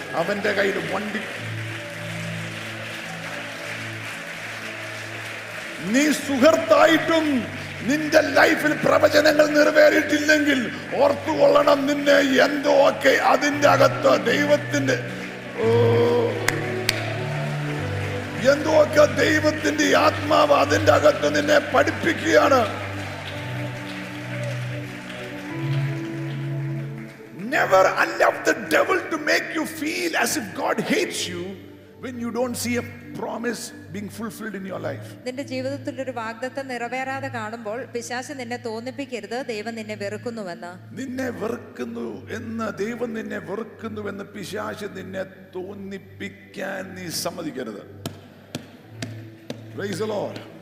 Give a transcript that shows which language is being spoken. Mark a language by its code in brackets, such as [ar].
[ml] അവന്റെ കയ്യിൽ വണ്ടി നീ സുഹൃത്തായിട്ടും നിന്റെ ലൈഫിൽ പ്രവചനങ്ങൾ നിറവേറിയിട്ടില്ലെങ്കിൽ ഓർത്തുകൊള്ളണം, നിന്നെ എന്തോ ഒക്കെ അതിന്റെ അകത്ത് ദൈവത്തിന്റെ എന്തോ ഒക്കെ ദൈവത്തിന്റെ ആത്മാവ് അതിന്റെ അകത്ത് നിന്നെ പഠിപ്പിക്കുകയാണ്. [en] Never allow the devil to make you feel as if God hates you when you don't see a promise being fulfilled in your life. [ml] നിന്റെ ജീവിതത്തിൽ ഒരു വാഗ്ദത്തം നിറവേറാതെ കാണുമ്പോൾ പിശാച് നിന്നെ തോന്നിപ്പിക്കരുത് ദൈവം നിന്നെ വെറുക്കുന്നുവെന്ന്. നിന്നെ വെറുക്കുന്നു എന്ന് ദൈവം നിന്നെ വെറുക്കുന്നുവെന്ന് പിശാച് നിന്നെ തോന്നിപ്പിക്കാൻ നീ സമ്മതിക്കരുത്. [en] Praise the Lord.